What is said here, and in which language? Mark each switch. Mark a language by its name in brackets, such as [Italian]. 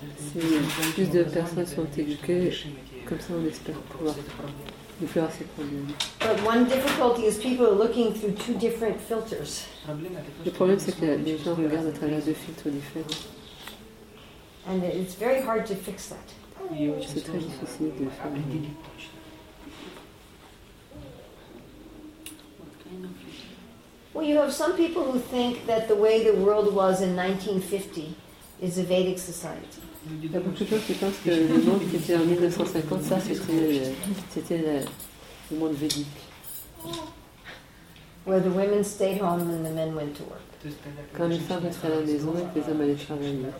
[French] Si plus de personnes sont éduquées, comme ça, on espère pouvoir résoudre ces problèmes. [English] But one difficulty is people are looking through two different filters. [French] Le problème, c'est que les gens regardent à travers deux filtres différents. [English] And it's very hard to fix that. [French] C'est très difficile de faire. [English] What kind of filter? Well, you have some people who think that the way the world was in 1950 is a Vedic society. [French] Il y a beaucoup de gens qui pensent que le monde qui était en 1950, ça, c'était le monde védique. [English] Where the women stayed home and the men went to work. [French] Quand les femmes restaient à la maison et les hommes allaient travailler.